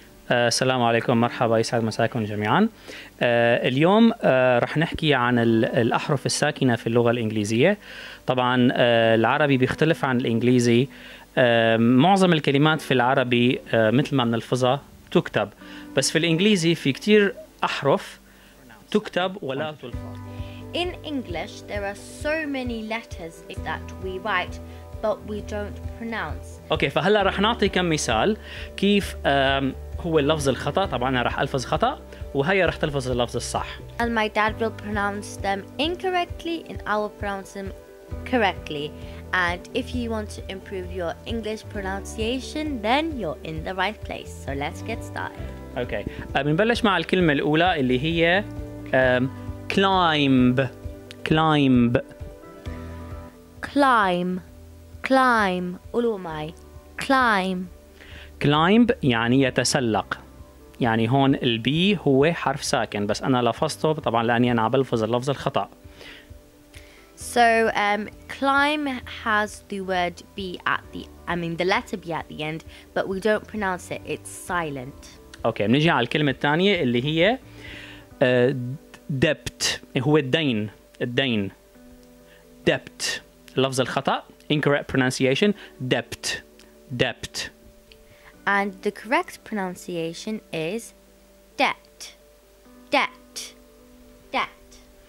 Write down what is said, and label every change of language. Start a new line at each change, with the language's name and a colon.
Arabic: السلام عليكم، مرحبا، يسعد مساكم جميعا. اليوم رح نحكي عن الأحرف الساكنة في اللغة الإنجليزية. طبعا العربي بيختلف عن الإنجليزي، معظم الكلمات في العربي مثل ما بنلفظها تكتب، بس في الإنجليزي في كتير أحرف تكتب ولا تلفظ.
English: In English there are so many letters that we write but we don't pronounce.
Arabic: Okay, فهلا رح نعطي كم مثال كيف هو اللفظ الخطأ. طبعاً أنا رح ألفظ خطأ وهي رح تلفظ اللفظ الصح.
English: And my dad will pronounce them incorrectly and I will pronounce them correctly. And if you want to improve your English pronunciation, then you're in the right place. So let's get started. Okay.
Arabic: بنبلش مع الكلمة الأولى اللي هي climb.
English: Climb. Climb. Climb.
Arabic: قولوا معي.
English: Climb.
Arabic: Climb يعني يتسلق، يعني هون البي هو حرف ساكن بس أنا لفظته طبعا لأني أنا بلفظ اللفظ الخطأ.
English: So climb has the word B at the, I mean the letter B at the end, but we don't pronounce it, it's silent.
Arabic: Okay، بنجي على الكلمة الثانية اللي هي debt، هو الدين، الدين.
English: Debt،
Arabic: لفظ الخطأ،
English: incorrect pronunciation، debt، debt. And the correct pronunciation is debt, debt, debt.